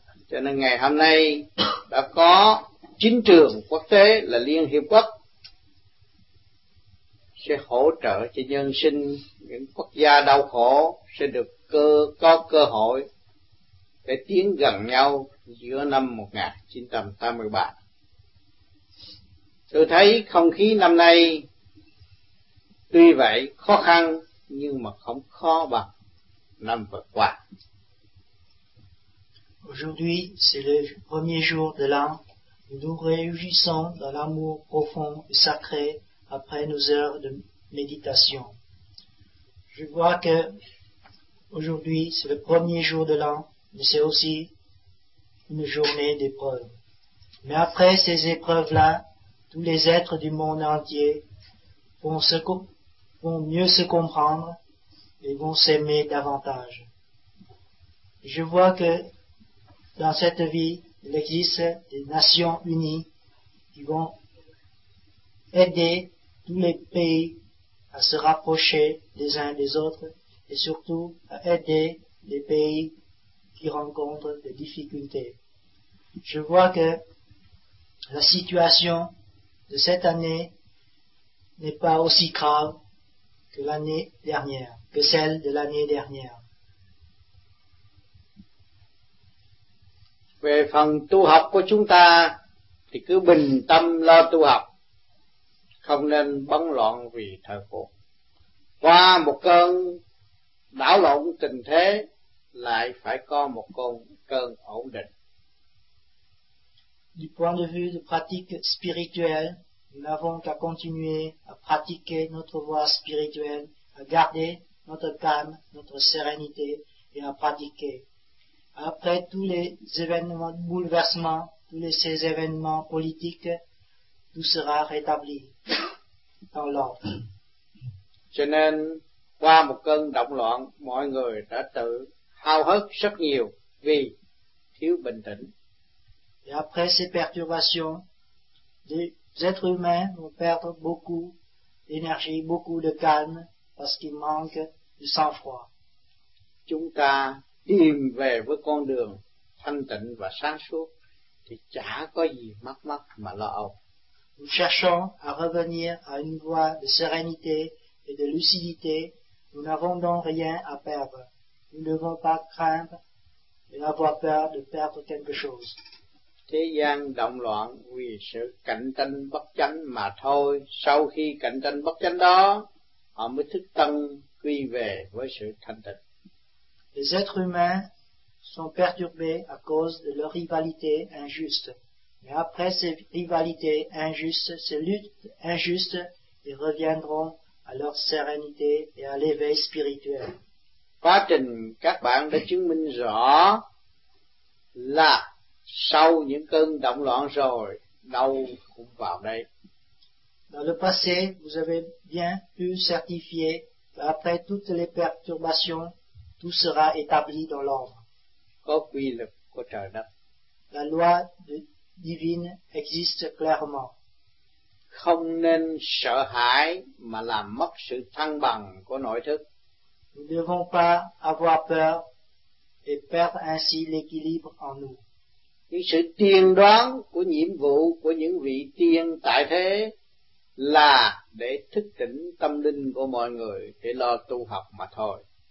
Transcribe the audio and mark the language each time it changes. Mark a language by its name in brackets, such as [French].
[Vietnamese] Cho nên ngày hôm nay đã có chính trường quốc tế là Liên Hiệp Quốc sẽ hỗ trợ cho nhân sinh, những quốc gia đau khổ sẽ được có cơ hội để tiến gần nhau giữa năm 1983. Tôi thấy không khí năm nay tuy vậy khó khăn nhưng mà không khó bằng năm vừa qua. [French] Aujourd'hui, c'est le premier jour de l'an. Nous réjouissons dans l'amour profond et sacré après nos heures de méditation. Je vois que aujourd'hui, c'est le premier jour de l'an, mais c'est aussi une journée d'épreuve. Mais après ces épreuves-là, tous les êtres du monde entier vont mieux se comprendre et vont s'aimer davantage. Je vois que dans cette vie, il existe des Nations Unies qui vont aider tous les pays à se rapprocher les uns des autres et surtout à aider les pays qui rencontrent des difficultés. Je vois que la situation de cette année n'est pas aussi grave que l'année dernière, que celle de l'année dernière. [Vietnamese] Về phần tu học của chúng ta thì cứ bình tâm lo tu học, không nên bấn loạn vì thời cuộc. Qua một cơn đảo lộn tình thế lại phải có một cơn ổn định. [French] Du point de vue de pratique spirituelle, nous n'avons qu'à continuer à pratiquer notre voie spirituelle, à garder notre calme, notre sérénité et à pratiquer. Après tous les événements de bouleversement, tous ces événements politiques, tout sera rétabli dans l'ordre. [Vietnamese] Cho nên, qua một cơn động loạn, mọi người đã tự hao hức rất nhiều vì thiếu bình tĩnh. [French] Et après ces perturbations, Les êtres humains vont perdre beaucoup d'énergie, beaucoup de calme, parce qu'ils manquent du sang-froid. [Vietnamese] Chúng ta đi về với con đường thanh tịnh và sáng suốt thì chả có gì mắc mắc mà lo âu. [French] Nous cherchons à revenir à une voie de sérénité et de lucidité. Nous n'avons donc rien à perdre. Nous ne devons pas craindre et avoir peur de perdre quelque chose. [Vietnamese] Thế gian động loạn vì sự cạnh tranh bất chánh mà thôi. Sau khi cạnh tranh bất chánh đó, họ mới thức tâm quy về với sự thanh tịnh. [French] Les êtres humains sont perturbés à cause de leur rivalité injuste. Mais après ces rivalités injustes, ces luttes injustes, ils reviendront à leur sérénité et à l'éveil spirituel. [Vietnamese] Quá trình các bạn đã chứng minh rõ là sau những cơn động loạn rồi, đau cũng vào đây. [French] Dans le passé, vous avez bien pu certifier qu'après toutes les perturbations, tout sera établi dans l'ordre. [Vietnamese] Có quy luật của trời đất. [French] La loi divine existe clairement. [Vietnamese] Không nên sợ hãi mà làm mất sự thăng bằng của nội thức. [French] Nous ne devons pas avoir peur et perdre ainsi l'équilibre en nous. [Vietnamese] Những sự tiên đoán của nhiệm vụ của những vị tiên tại thế là để thức tỉnh tâm linh của mọi người để lo tu học mà thôi.